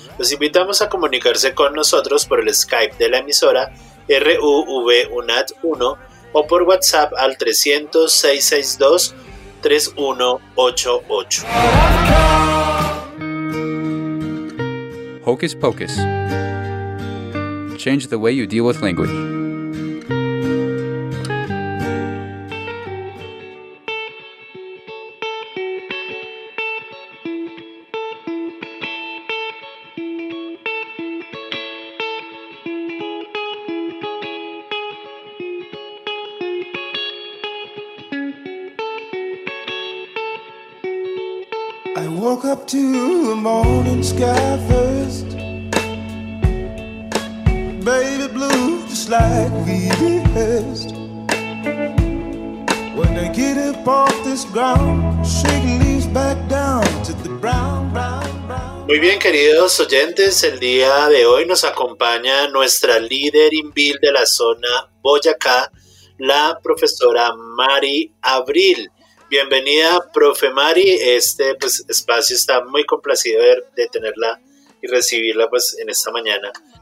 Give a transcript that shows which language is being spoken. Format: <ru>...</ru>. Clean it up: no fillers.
<es>Los invitamos a comunicarse con nosotros por el Skype de la emisora RUVUNAD1 o por WhatsApp al 300-662-3188.</es> <en>Hocus Pocus. Change the way you deal with language. I woke up to a morning sky first. Baby blue, just like we rehearsed. When I get up off this ground, shaking leaves back down to the brown, brown, brown.</en> <es>Muy bien, queridos oyentes, el día de hoy nos acompaña nuestra líder INVIL de la zona Boyacá, la profesora Mari Abril. Bienvenida, profe Mari. Este pues, espacio está muy complacido de tenerla y recibirla pues, en esta mañana.</es>